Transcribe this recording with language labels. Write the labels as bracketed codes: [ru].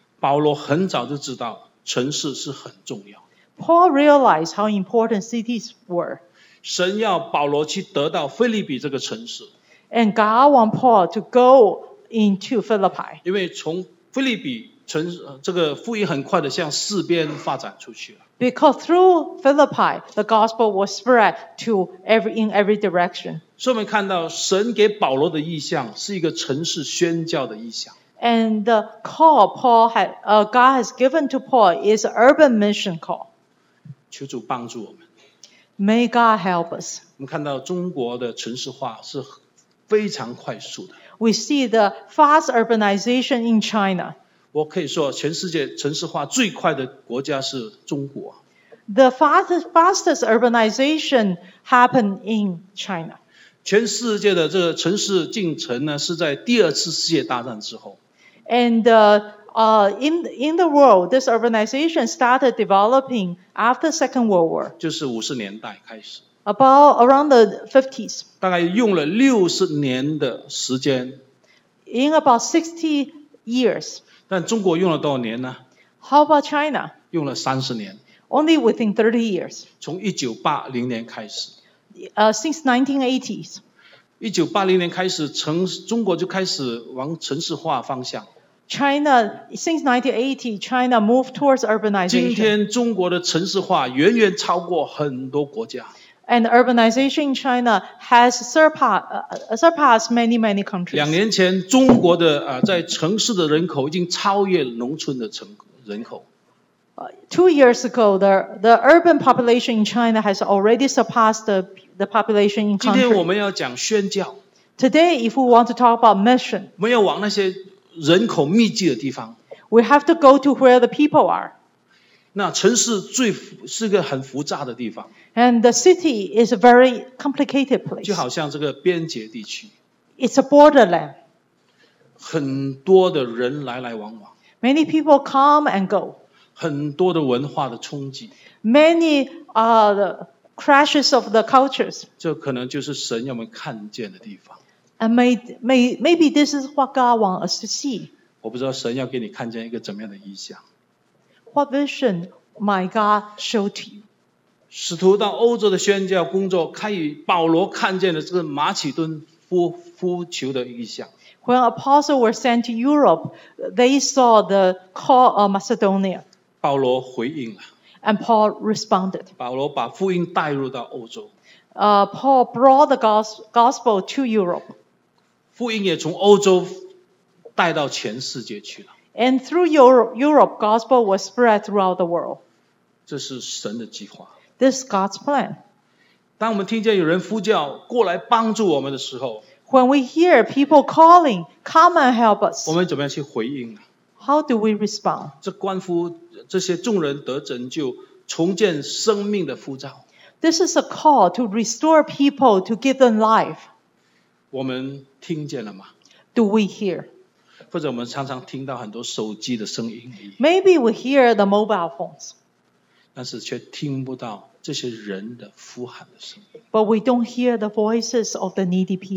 [zh] 保罗很早就知道城市是很重要。 [en] Paul realized how important cities were. [zh] 神要保罗去得到腓立比这个城市。 [en] And God want Paul to go. Into Philippi. [zh] 因为从腓立比城这个福音很快的向四边发展出去了。 [en] Because through Philippi, the gospel was spread to every direction. [zh] 所以我们看到神给保罗的意象是一个城市宣教的意象。 [en] And the call Paul had, God has given to Paul is an urban mission call. [zh] 求主帮助我们。 [en] May God help us. [zh] 我们看到中国的城市化是非常快速的。 [en] We see the fast urbanization in China. [zh] 我可以说全世界城市化最快的国家是中国。 [en] The fastest urbanization happened in China. [zh] 全世界的这个城市进程呢是在第二次世界大战之后。 [en] And in the world, this urbanization started developing after Second World War. [zh] 就是50年代开始。 [en] About around the 50s. [zh] 大概用了60年的时间。 [en] In about 60 years. [zh] 但中国用了多少年呢 [en] ？How about China? [zh] 用了30年。 [en] Only within 30 years. [zh] 从1980年开始。 [en] Since 1980s. [zh] 1980年开始，中国就开始往城市化方向。 [en] China, since 1980, China moved towards urbanization. [zh] 今天中国的城市化远远超过很多国家。 [en] And urbanization in China has surpassed many, many countries. [zh] 2年前中国的在城市的人口已经超越农村的人口。 [en] 2 years ago, the urban population in China has already surpassed the population in country. [zh] 今天我们要讲宣教。 [en] Today, if we want to talk about mission, [zh] 我们要往那些人口密集的地方。 [en] We have to go to where the people are. [zh] 那城市最是个很复杂的地方。 [en] And the city is a very complicated place. [zh] 就好像这个边界地区。 [en] It's a borderland. [zh] 很多的人来来往往。 [en] Many people come and go. [zh] 很多的文化的冲击。 [en] Many are the crashes of the cultures. [zh] 这可能就是神要我们看见的地方。 [en] And maybe this is what God wants us to see. [zh] 我不知道神要给你看见一个怎么样的意象。 [en] What vision my God show to you? [zh] 使徒到欧洲的宣教工作，看与保罗看见的这个马其顿呼求的意象。 [en] When apostles were sent to Europe, they saw the call of Macedonia. [zh] 保罗回应了。 [en] And Paul responded. [zh] 保罗把福音带入到欧洲。 [en] Paul brought the gospel to Europe. [zh] 福音也从欧洲带到全世界去了。 [en] And through Europe, gospel was spread throughout the world. [zh] 这是神的计划。 [en] This is God's plan. [zh] 当我们听见有人呼叫过来帮助我们的时候 [en] ，When we hear people calling, come and help us. [zh] 我们怎么样去回应 [en] ？How do we respond? [zh] 这关乎这些众人得拯救、重建生命的呼召。 [en] This is a call to restore people to give them life. [zh] 我们听见了吗 [en] ？Do we hear? [zh] 或者我们常常听到很多手机的声音。 [en] Maybe we hear the mobile phones. [zh] 但是却听不到这些人的呼喊的声音。 [en] But we don't hear the voices of the needy people.